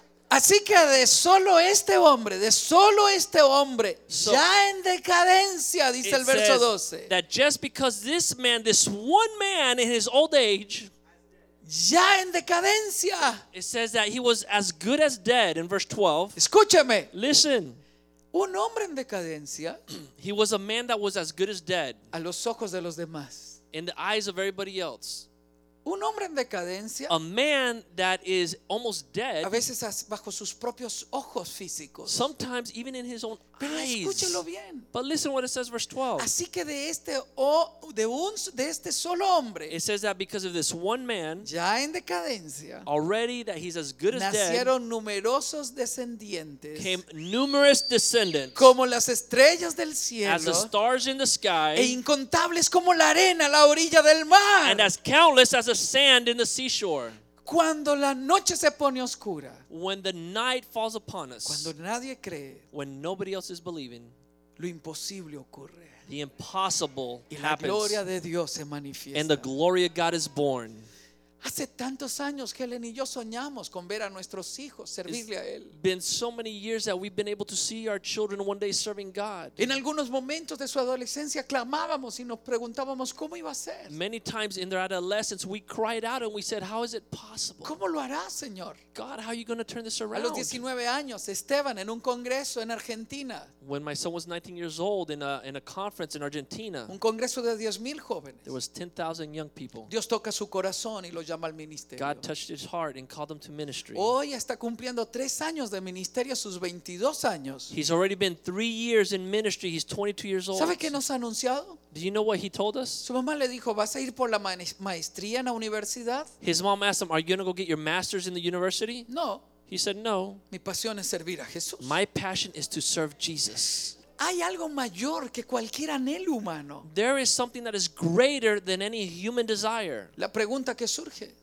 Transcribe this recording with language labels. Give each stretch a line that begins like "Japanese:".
Spanish: Así que de solo este hombre, de solo este hombre, so, ya en decadencia, dice el verso
English: says
Spanish: 12.
English: That just because this man, this one man in his old age,
Spanish: ya en decadencia.
English: It says that he was as good as dead in verse 12.
Spanish: Escúchame.
English: Listen.
Spanish: Un hombre en decadencia.
English: He was a man that was as good as dead.
Spanish: A los ojos de los demás.
English: In the eyes of everybody else.
Spanish: Un hombre en decadencia.
English: A man that is almost dead.
Spanish: A veces bajo sus propios ojos físicos.
English: Sometimes even in his own eyes.
Spanish: Pero escúchelo bien.
English: But listen what it says, verse 12.
Spanish: Así que de este de este solo hombre.
English: It says that because of this one man.
Spanish: Ya en decadencia.
English: Already that he's as good as
Spanish: nacieron
English: dead.
Spanish: Nacieron numerosos descendientes.
English: Came numerous descendants.
Spanish: Como las estrellas del cielo.
English: As the stars in the sky.
Spanish: E incontables como la arena a la orilla del mar.
English: And as countless as the sand in the seashore.
Spanish: Cuando la noche se pone oscura.
English: When the night falls upon us.
Spanish: Cuando nadie cree.
English: When nobody else is believing.
Spanish: Lo imposible ocurre.
English: The impossible
Spanish: y la
English: happens.
Spanish: Gloria de Dios se manifiesta.
English: And the glory of God is born.
Spanish: Hace tantos años que Helen y yo soñamos con ver a nuestros hijos servirle a él.
English: It's been so many years that we've been able to see our children one day serving God.
Spanish: En algunos momentos de su adolescencia clamábamos y nos preguntábamos cómo iba a ser.
English: Many times in their adolescence we cried out and we said, how is it possible?
Spanish: ¿Cómo lo hará, Señor?
English: God, how are you going to turn this around?
Spanish: A los 19 años, Esteban en un congreso en Argentina.
English: When my son was 19 years old in a conference in Argentina.
Spanish: Un congreso de 10,000 jóvenes.
English: There was 10,000 young people.
Spanish: Dios toca su corazón y lo llama al ministerio.
English: God touched his heart and called him to ministry.
Spanish: Hoy está cumpliendo 3 años de ministerio, sus 22 años.
English: He's already been 3 years in ministry. He's 22 years old.
Spanish: ¿Sabe qué nos ha anunciado?
English: Do you know what he told us?
Spanish: Su mamá le dijo, ¿vas a ir por la maestría en la universidad?
English: His mom asked him, are you going to go get your master's in the university?
Spanish: No.
English: He said, no.
Spanish: Mi pasión es servir a Jesús.
English: My passion is to serve Jesus.
Spanish: Hay algo mayor que cualquier anhelo humano.
English: There is something that is greater than any human desire.
Spanish: La pregunta que surge.